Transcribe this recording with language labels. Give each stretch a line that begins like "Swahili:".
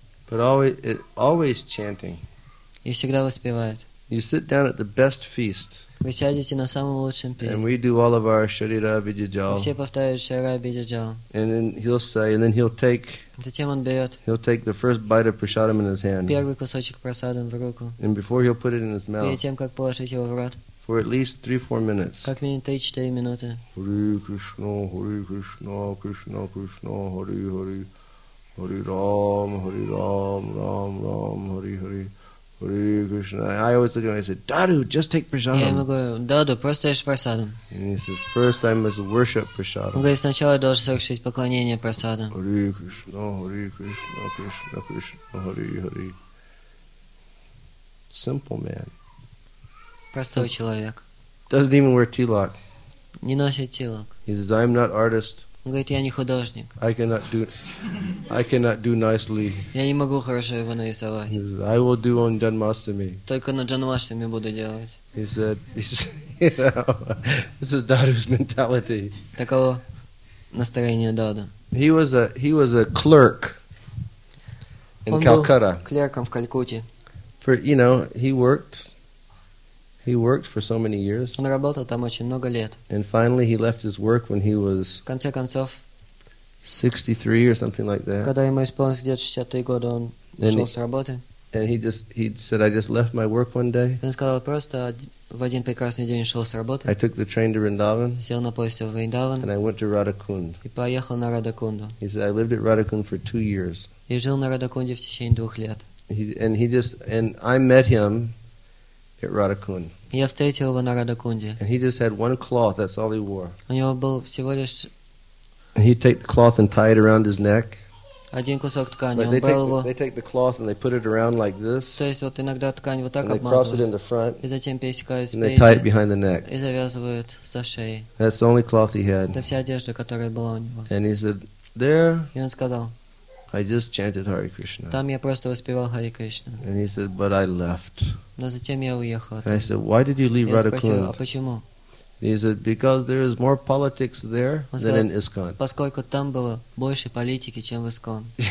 English: But always, always chanting.
Russian: И всегда воспевает.
English: You sit down at the best feast.
Russian: Вы сядете на самом лучшем пире.
English: And we do all of our Sharira Abhidhijal.
Russian: Все повторяют Sharira Abhidhijal.
English: And then he'll say, and then he'll take.
Russian: Затем он берет.
English: He'll take the first bite of prasadam in his hand.
Russian: Первый кусочек прасадам в руку.
English: And before he'll put it in his mouth.
Russian: Перед тем как положить его в рот.
English: For at least 3-4 minutes.
Russian: Как минимум 3-4 минуты.
Sanskrit: Hare Krishna, Hare Krishna, Krishna Krishna, Hare Hare, Hare Ram, Hare Ram, Ram Ram, Hare Hare. Hare Krishna.
English: I always look at him and I say, Dadu, just take prasadam.
Russian: Я ему говорю, Даду, просто ешь прасадам.
English: And he says, first I must worship prasadam.
Russian: Он говорит, сначала я должен совершить поклонение прасадам.
Sanskrit: Hare Krishna, Hare Krishna, Krishna Krishna, Hare Hare.
English: Simple man.
Russian: Простой человек.
English: Doesn't even wear tilak.
Russian: Не носит тилок.
English: He says, I'm not artist.
Russian: Он говорит, я не художник.
English: I cannot do nicely.
Russian: Я не могу хорошо его нарисовать.
English: He said, I will do on Janmashtami.
Russian: Только на Джанмаштами буду делать.
English: He said, this is Dadu's mentality.
Russian: Таково настроение Даду.
English: He was a clerk in Calcutta.
Russian: Клерком в Калькутте.
English: For, you know, he worked. He worked for so many years.
Russian: Он работал там очень много лет.
English: And finally he left his work when he was
Russian: в конце концов,
English: 63 or something like that.
Russian: Когда ему исполнилось где-то 63 года, он ушел с работы.
English: And he said, I just left my work one day.
Russian: Он сказал, просто в один прекрасный день ушел с работы.
English: I took the train to Vrindavan.
Russian: Сел на поезд в Вриндаван.
English: And I went to Radhakund.
Russian: И поехал на Радхакунду.
English: He said, I lived at Radhakund for 2 years.
Russian: И жил на Радхакунде в течение 2 лет.
English: And I met him at Radhakund.
Russian: Я встретил его на Радхакунде.
English: And he just had one cloth, that's all he wore.
Russian: У него был всего лишь...
English: He'd take the cloth and tie it around his neck.
Russian: Один кусок ткани,
English: like they take the cloth and they put it around like this.
Russian: То есть вот иногда ткань вот так
English: and
Russian: обмазывают.
English: They cross it in the front,
Russian: и затем пересекают спереди.
English: And they tie it behind the neck.
Russian: И завязывают со шеи.
English: That's the only cloth he had.
Russian: Это вся одежда, которая была у него.
English: And he said, there.
Russian: И он сказал.
English: I just chanted Hare Krishna.
Russian: Там я просто воспевал Хари Кришна.
English: And he said, but I left.
Russian: Но затем я уехал.
English: And I said, why did you leave Radhakund?
Russian: Я спросил, а почему?
English: He said, because there is more politics there than in ISKCON.
Russian: Поскольку там было больше политики, чем в ISKCON.